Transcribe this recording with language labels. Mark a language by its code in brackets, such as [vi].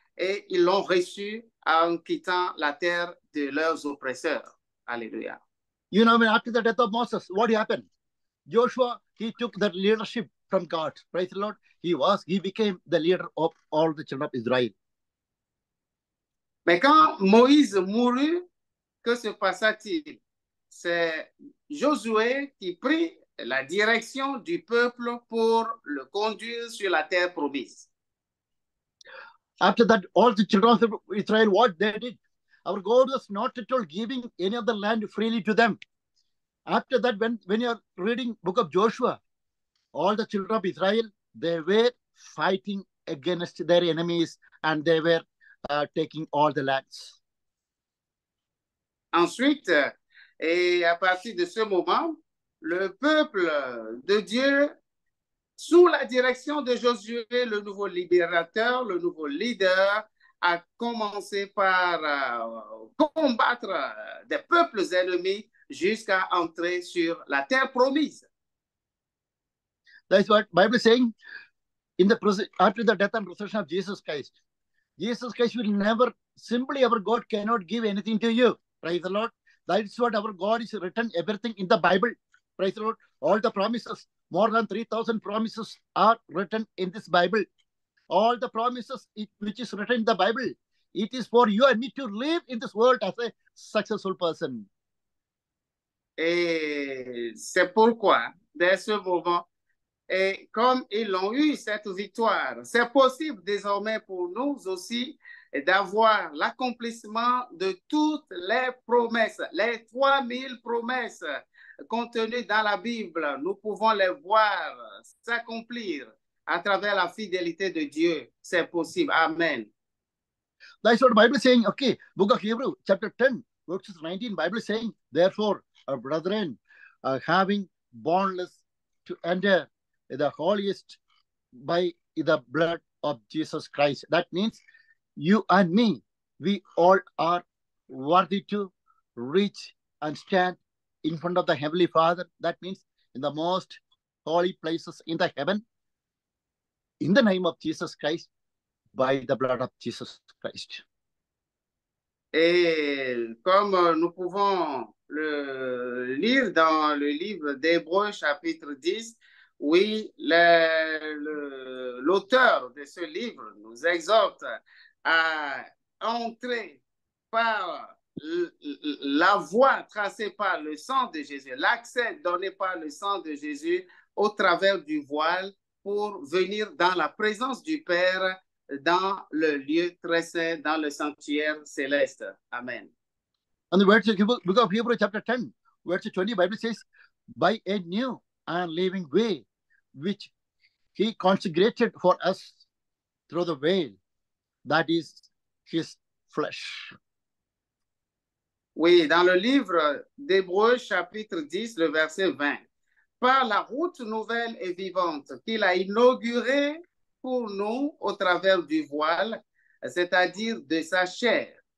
[fr] et ils l'ont reçu en quittant la terre de leurs oppresseurs. Alléluia. [en] You know, after the death of Moses, what happened? Joshua, he took that leadership from God. Praise the Lord. He became the leader of all the children of Israel. [fr] Mais quand Moïse mourut, que se passa-t-il? C'est Josué qui prit la direction du peuple pour le conduire sur la terre promise. [en] After that, all the children of Israel, what they did? Our God was not at all giving any of the land freely to them. After that, when you are reading book of Joshua, all the children of Israel, they were fighting against their enemies and they were taking all the lands. [fr] Ensuite, et à partir de ce moment, le peuple de Dieu, sous la direction de Josué, le nouveau libérateur, le nouveau leader, a commencé par combattre des peuples ennemis jusqu'à entrer sur la terre promise. [en] That's what the Bible is saying. After the death and resurrection of Jesus Christ will never, simply our God cannot give anything to you. Praise the Lord. That is what our God is written, everything in the Bible. Praise the Lord. All the promises, more than 3,000 promises are written in this Bible. All the promises which is written in the Bible, it is for you and me to live in this world as a successful person. [fr] Et c'est pourquoi, dès ce moment, et comme ils l'ont eu cette victoire, c'est possible désormais pour nous aussi d'avoir l'accomplissement de toutes les promesses, les 3000 promesses contenues dans la Bible. Nous pouvons les voir s'accomplir à travers la fidélité de Dieu. C'est possible. Amen. [en] That's what the Bible is saying. Okay, Book of Hebrews, chapter 10, verses 19, Bible is saying, therefore, our brethren, having boundless to enter the holiest by the blood of Jesus Christ. That means you and me, we all are worthy to reach and stand in front of the Heavenly Father. That means in the most holy places in the heaven, in the name of Jesus Christ, by the blood of Jesus Christ. [fr] Et comme nous pouvons le lire dans le livre d'Hébreux, chapitre 10, oui, l'auteur de ce livre nous exhorte à entrer par la voie tracée par le sang de Jésus, l'accès donné par le sang de Jésus au travers du voile pour venir dans la présence du Père dans le lieu très saint, dans le sanctuaire céleste. Amen. [en] And the verse of the book of Hebrews chapter 10, verse 20, the Bible says, by a new and living way, which he consecrated for us through the veil, that is his flesh. [fr] Oui, dans le livre d'Hébreux, chapitre 10, le verset 20, par la route nouvelle et vivante qu'il a inaugurée pour nous au travers du voile, c'est-à-dire de sa chair.